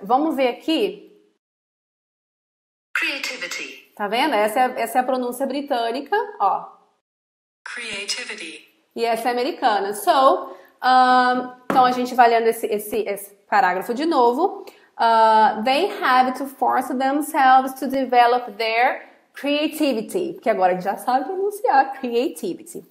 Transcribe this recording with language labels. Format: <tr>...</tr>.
<pt>Vamos ver aqui. Tá vendo? Essa é a pronúncia britânica, ó.</pt> <en>Creativity.</en> <pt>E essa é americana. Então a gente vai lendo esse parágrafo de novo.</pt> <en>They have to force themselves to develop their creativity.</en> <pt>Que agora a gente já sabe pronunciar creativity.</pt>